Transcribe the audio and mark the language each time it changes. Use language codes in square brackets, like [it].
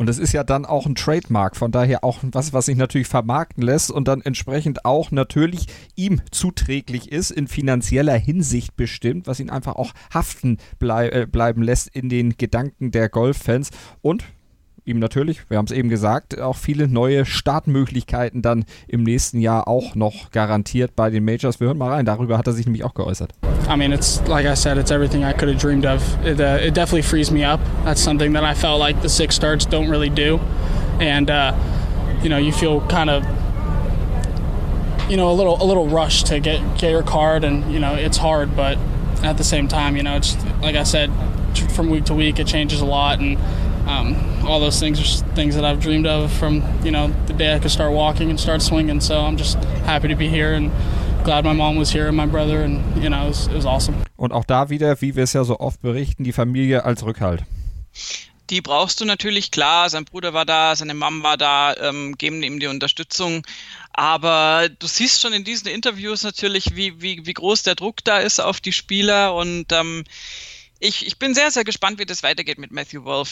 [de] Und das ist ja dann auch ein Trademark, von daher auch was sich natürlich vermarkten lässt und dann entsprechend auch natürlich ihm zuträglich ist, in finanzieller Hinsicht bestimmt, was ihn einfach auch haften bleiben lässt in den Gedanken der Golffans und ihm natürlich, wir haben es eben gesagt, auch viele neue Startmöglichkeiten dann im nächsten Jahr auch noch garantiert bei den Majors. Wir hören mal rein, darüber hat er sich nämlich auch geäußert. [en] I mean, it's like I said, it's everything I could have dreamed of. It definitely frees me up. That's something that I felt like the six starts don't really do. And, you know, you feel kind of, you know, a little rushed to get your card and, you know, it's hard, but at the same time, you know, it's like I said, from week to week, it changes a lot and all those things are things that I've dreamed of from, you know, the day I could start walking and start swinging. So I'm just happy to be here and glad my mom was here and my brother and, you know, it was awesome. [de] Und auch da wieder, wie wir es ja so oft berichten, die Familie als Rückhalt. Die brauchst du natürlich, klar, sein Bruder war da, seine Mom war da, geben ihm die Unterstützung. Aber du siehst schon in diesen Interviews natürlich, wie groß der Druck da ist auf die Spieler und Ich bin sehr, sehr gespannt, wie das weitergeht mit Matthew Wolff.